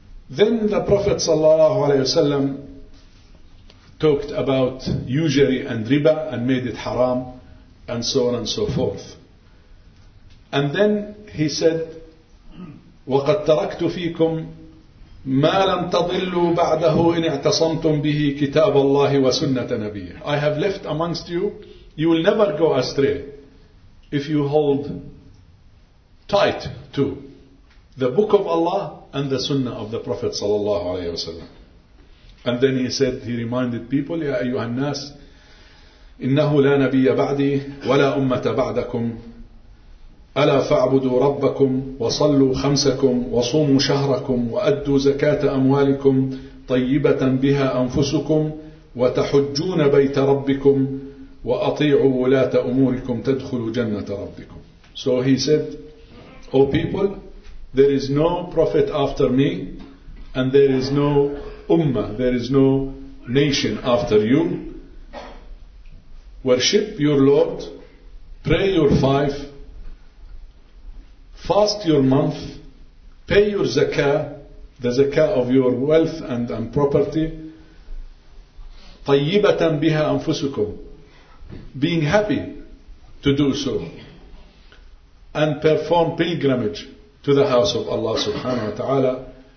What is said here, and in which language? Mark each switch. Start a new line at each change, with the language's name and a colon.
English: Then the Prophet sallallahu alaihi wasallam talked about usury and riba and made it haram, and so on and so forth. And then he said,
Arabic: وَقَدْ تَرَكْتُ فِيكُمْ مَا لَمْ تَضِلُّوا بَعْدَهُ إِنْ اعْتَصَمْتُمْ بِهِ كِتَابَ اللَّهِ وَسُنَّةَ نَبِيهِ.
English: I have left amongst you, you will never go astray if you hold tight to the book of Allah and the sunnah of the Prophet sallallahu alayhi wasallam. And then he said, he reminded people,
Arabic: يَا أَيُّهَا النَّاسِ إِنَّهُ لَا نَبِيَّ بَعْدِي وَلَا أُمَّةَ بَعْدَكُمْ أَلَا فَاعْبُدُوا رَبَّكُمْ وَصَلُّوا خَمْسَكُمْ وَصُومُوا شَهْرَكُمْ وَأَدُّوا زَكَاةَ أَمْوَالِكُمْ طَيِّبَةً بِهَا أَنفُسُكُمْ وَتَحُجُّونَ بَيْتَ رَبِّكُمْ وَأَطِيعُوا وُلَاةَ أُمُورِكُمْ تَدْخُلُوا جَنَّةَ رَبِّكُمْ.
English: So he said, O people, there is no prophet after me, and there is no ummah, there is no nation after you. Worship your Lord, pray your five, fast your month, pay your zakah, the zakah of your wealth and property,
Arabic: طَيِّبَةً بِهَا أَنفُسُكُمْ,
English: being happy to do so, and perform pilgrimage to the house of Allah subhanahu wa ta'ala.